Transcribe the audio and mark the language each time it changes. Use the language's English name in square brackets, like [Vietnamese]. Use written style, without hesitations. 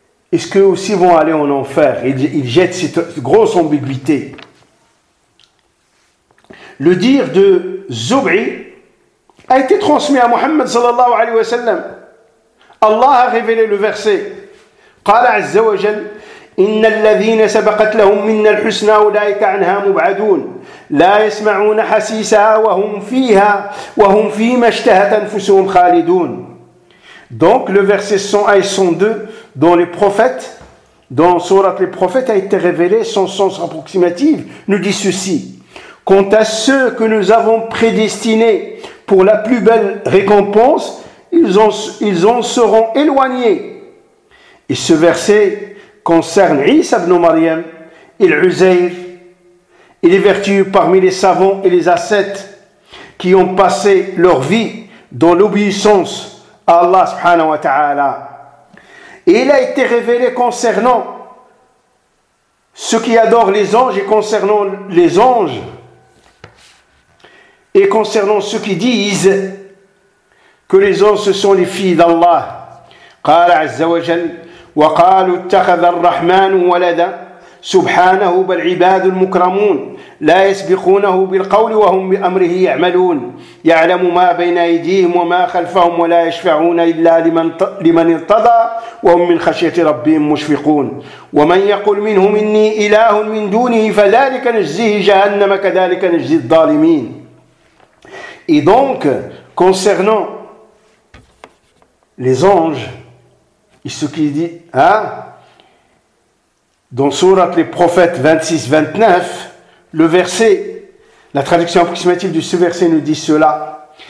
[French] Est-ce qu'eux aussi vont aller en enfer? Il jette cette grosse ambiguïté. Le dire de Zub'i a été transmis à Muhammad [Arabic] sallallahu alayhi wa sallam. [French] Allah a révélé le verset. [Arabic] قال عز وجل إن الذين سبقت لهم منا الحسنى أولئك عنها مبعدون لا يسمعون حسيسها وهم فيها وهم فيما اشتهت أنفسهم خالدون. [French] Donc le verset 102 dont les prophètes, dont sourate les prophètes a été révélé son sens approximatif, nous dit ceci. Quant à ceux que nous avons prédestinés pour la plus belle récompense, ils en seront éloignés. Et ce verset concerne Isa ibn Maryam et l'Uzair et les vertus parmi les savants et les ascètes qui ont passé leur vie dans l'obéissance à Allah [Arabic] subhanahu wa ta'ala. [French] Et il a été révélé concernant ceux qui adorent les anges et concernant les anges et concernant ceux qui disent que les anges ce sont les filles d'Allah. [Arabic] Qala azza wa jalla وقالوا اتخذ الرحمن ولدا سبحانه بل عباد المكرمون لا يسبقونه بالقول وهم بأمره يعملون يعلم ما بين أيديهم وما خلفهم ولا يشفعون إلا لمن ارتضى وهم من خشية ربهم مشفقون ومن يقول منهم إني إله من دونه فذلك نجزيه جهنم كذلك نجزي الظالمين. [French] Et donc concernant les anges et ce qu'il dit, hein, dans Sourate les prophètes 26-29, le verset, la traduction approximative de ce verset nous dit cela.